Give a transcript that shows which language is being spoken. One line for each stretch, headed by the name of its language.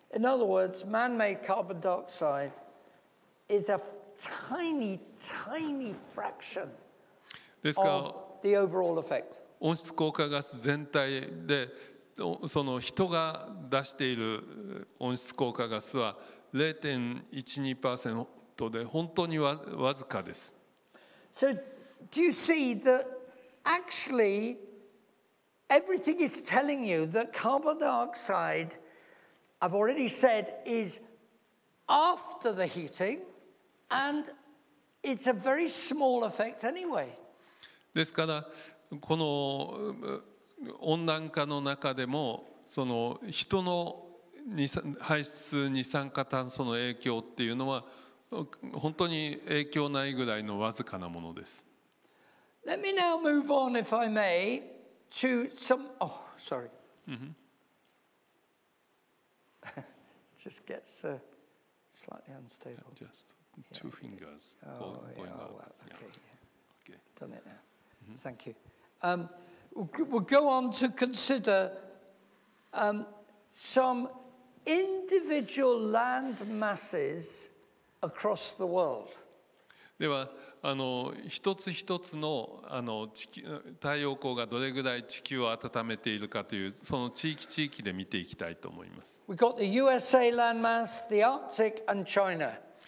English: In other words, man-made carbon dioxide is a tiny, tiny fraction of the overall effect.
Japanese: 温室効果ガス全体で、その人が出している温室効果ガスは 0.12% で本当にわずかです。
English: So, do you see that actually? Everything is telling you that carbon dioxide, I've already said, is after the heating, and it's a very small effect anyway.
Japanese: ですから、この温暖化の中でも、その人の排出二酸化炭素の影響っていうのは、本当に影響ないぐらいのわずかなものです。
English: Let me now move on, if I may. To some, oh, sorry. Just gets slightly unstable. Just two yeah, fingers yeah. Going, oh, yeah, going up. Well, okay, yeah. Done it now. Mm-hmm. Thank you. We'll go on to consider some individual land masses across the world.
Japanese: では一つ一つ の地球太陽光がどれぐらい地球を温めているかというその地域地域で見ていきたいと思います。
English: We've got the USA landmass, the Arctic and China.